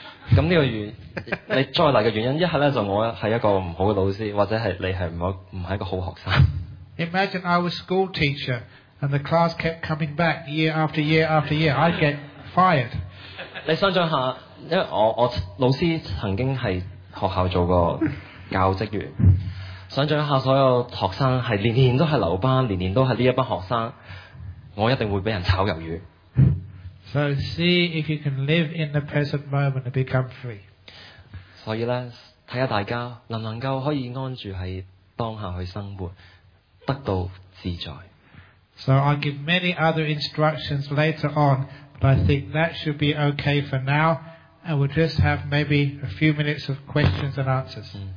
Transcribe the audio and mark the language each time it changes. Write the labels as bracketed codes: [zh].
[yue] 咁呢個原你再嚟嘅原因，一係咧就我係一個唔好嘅老師，或者係你係唔係一個好學生。 [en] Imagine I was school teacher and the class kept coming back year after year after year, I'd get fired. [yue] 你想象下，因為我老師曾經係學校做過教職員，想象下所有學生係年年都係留班，年年都係呢一班學生，我一定會俾人炒魷魚。 [en] So see if you can live in the present moment and become free. [yue] 所以咧，睇下大家能唔能夠可以安住喺當下去生活，得到自在。 [en] So I'll give many other instructions later on, but I think that should be okay for now, and we'll just have maybe a few minutes of questions and answers.